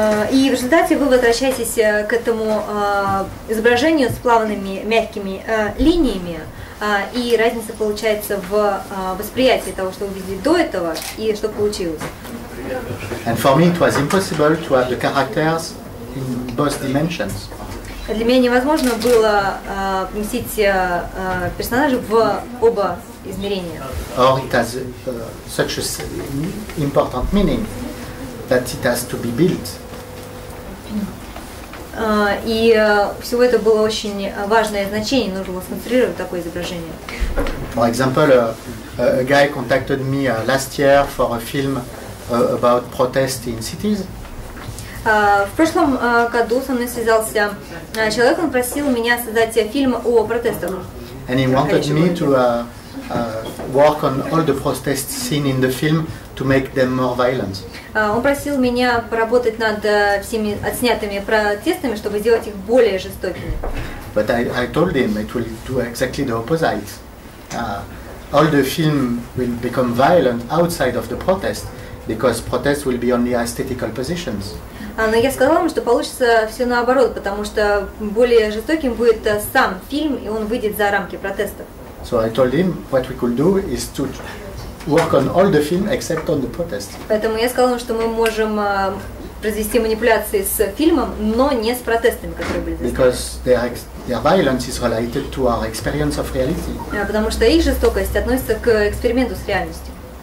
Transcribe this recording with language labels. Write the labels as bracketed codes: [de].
[ru] И в результате вы возвращаетесь к этому изображению с плавными мягкими линиями. И разница получается в восприятии того, что вы видели до этого, и что получилось. [en] And for me it was impossible to have the characters in both dimensions. [ru] Для меня невозможно было поместить персонажа в оба измерения. [en] Or it has such an important meaning that it has to be built. [ru] И всего это было очень важное значение, нужно было сконцентрировать такое изображение. [en] For example, a guy contacted me last year for a film about protest in cities. [ru] В прошлом году со мной связался человек, он просил меня создать фильм о протестах. [en] And he wanted me to work on all the protest scenes in the film to make them more violent. [ru] Он просил меня поработать над всеми отснятыми протестами, чтобы сделать их более жестокими. [en] But I told him it will do exactly the opposite. All the film will become violent outside of the protest, because protest will be only aesthetical positions. [ru] Но я сказала ему, что получится все наоборот, потому что более жестоким будет сам фильм, и он выйдет за рамки протестов. [en] So I told him what we could do is to work on all the film except on the protest. [ru] Поэтому я сказала ему, что мы можем произвести манипуляции с фильмом, но не с протестами, которые были. [en] Because their violence is related to our experience of reality. [ru] Потому что их жестокость относится к эксперименту с реальностью.